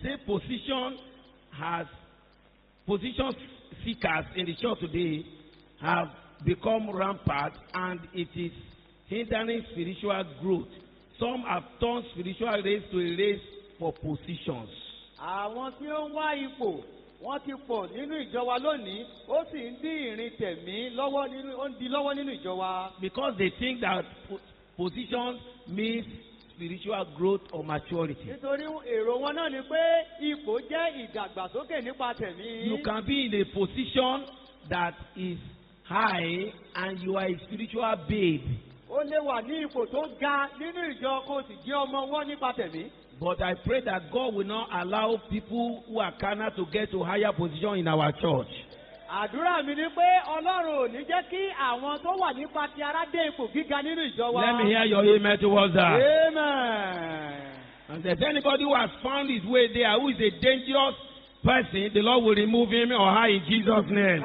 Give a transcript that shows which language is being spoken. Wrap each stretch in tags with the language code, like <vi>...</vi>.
<en>said position seekers in the church today have become rampant, and it is hindering spiritual growth. Some have turned spiritual race to a race for positions.</en> <yo>Àwọn tí ó ń wá ipò, wọ́n ti pọ̀ nínú ìjọwa lónìí, ó sì ń dín ìrìn tẹ̀mí lọ́wọ́ nínú, ó ń di lọ́wọ́ nínú ìjọwa.</yo> <en>Because they think that positions means spiritual growth or maturity.</en> <yo>Nítorí èrò wọn náà ni pé ipò jẹ́ ìdàgbàsókè nípa tẹ̀mí.</yo> <en>You can be in a position that is high and you are a spiritual babe.</en> <yo>Ó lè wà ní ipò tó ga nínú ìjọ kó sì jẹ́ ọmọ ọwọ́ nípa tẹ̀mí.</yo> <en>But I pray that God will not allow people who are carnal to get to higher position in our church.</en> <yo>Àdúrà mi ni pé Ọlọ́run ò ní jẹ́ kí àwọn tó wà nípa ti ara dé ipò gíga nínú ìjọ wa.</yo> <en>Let me hear your amen towards that. Amen. And if anybody who has found his way there, who is a dangerous person, the Lord will remove him or her in Jesus' name.</en>